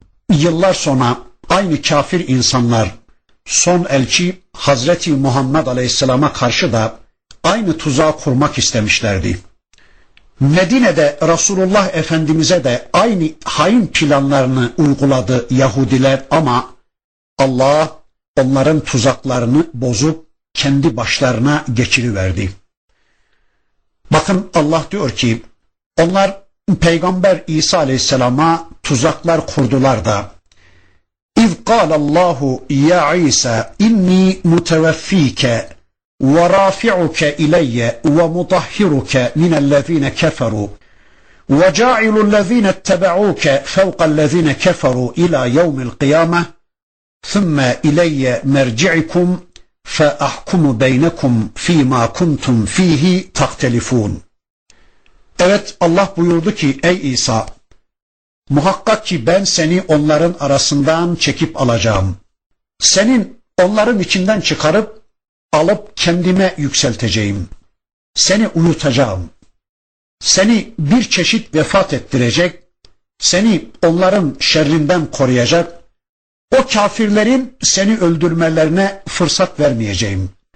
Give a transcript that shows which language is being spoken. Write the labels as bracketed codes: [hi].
[tr] Yıllar sonra aynı kafir insanlar son elçi Hazreti Muhammed Aleyhisselam'a karşı da aynı tuzağı kurmak istemişlerdi. Medine'de Resulullah Efendimiz'e de aynı hain planlarını uyguladı Yahudiler ama Allah onların tuzaklarını bozup kendi başlarına geçiriverdi. Bakın Allah diyor ki, onlar Peygamber İsa Aleyhisselam'a tuzaklar kurdular da, [ar] اِذْ قَالَ اللّٰهُ يَا عِيْسَى اِنِّي مُتَوَفِّيكَ وَرَافِعُكَ اِلَيَّ وَمُطَحِّرُكَ مِنَ الَّذ۪ينَ كَفَرُوا وَجَاعِلُ الَّذ۪ينَ اتَّبَعُوكَ فَوْقَ الَّذ۪ينَ كَفَرُوا اِلَى يَوْمِ الْقِيَامَةِ ثُمَّ اِلَيَّ مَرْجِعِكُمْ فَأَحْكُمُ بَيْنَكُمْ ف۪ي مَا كُنْتُمْ ف۪يهِ تَخْتَلِفُونَ [tr] Evet, Allah buyurdu ki, ey İsa, muhakkak ki ben seni onların arasından çekip alacağım. Senin onların içinden çıkarıp alıp kendime yükselteceğim. Seni uyutacağım. Seni bir çeşit vefat ettirecek, seni onların şerrinden koruyacak, o kafirlerin seni öldürmelerine fırsat vermeyeceğim.